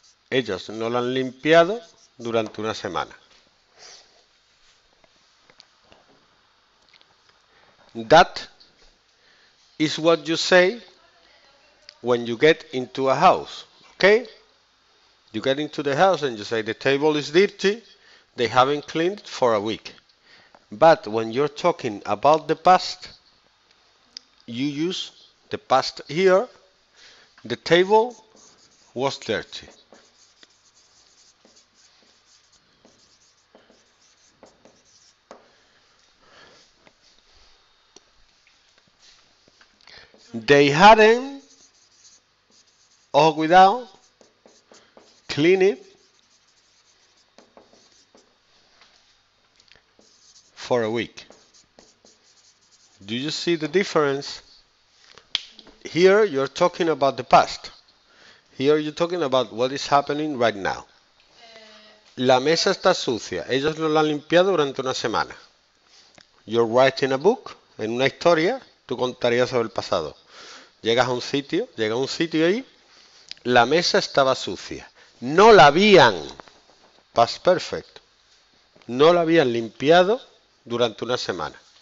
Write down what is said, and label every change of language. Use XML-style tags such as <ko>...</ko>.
<es>Ellos no la han limpiado durante una semana.</es> <en>That is what you say when you get into a house, okay? You get into the house and you say the table is dirty, they haven't cleaned it for a week. But when you're talking about the past, you use the past here, the table was dirty. They hadn't, or without, cleaned it for a week. Do you see the difference? Here you're talking about the past. Here you're talking about what is happening right now.</en> <es>La mesa está sucia. Ellos no la han limpiado durante una semana.</es> <en>You're writing a book,</en> <es>en una historia, tú contarías sobre el pasado. Llegas a un sitio ahí, la mesa estaba sucia. No la habían, past perfect, no la habían limpiado durante una semana.</es>